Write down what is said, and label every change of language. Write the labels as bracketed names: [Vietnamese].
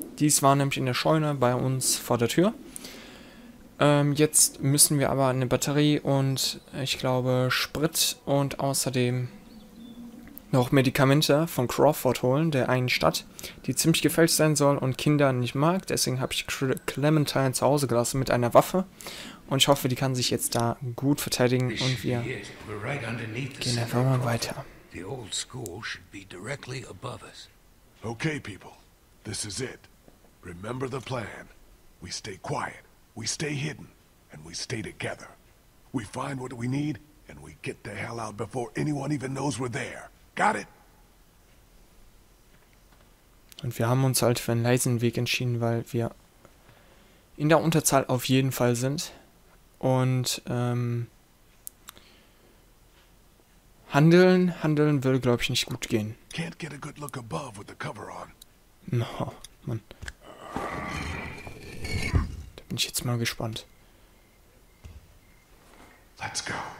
[German] Dies war nämlich in der Scheune bei uns vor der Tür. Jetzt müssen wir aber eine Batterie und ich glaube Sprit und außerdem noch Medikamente von Crawford holen, der einen Stadt, die ziemlich gefälscht sein soll und Kinder nicht mag. Deswegen habe ich Clementine zu Hause gelassen mit einer Waffe. Und ich hoffe, die kann sich jetzt da gut verteidigen und wir gehen einfach mal weiter. [English] The old school should be directly above us. Okay, people. This is it. Remember the plan. We stay quiet. We stay hidden. And we stay together. We find what we need and we get the hell out before anyone even knows we're there. Got it? [German] Und wir haben uns halt für einen leisen Weg entschieden, weil wir in der Unterzahl auf jeden Fall sind. Und handeln würde, glaube ich, nicht gut gehen. [English] Can't get a good look above with the cover on. [German] No, Mann. Da bin ich jetzt mal gespannt. [English] Let's go.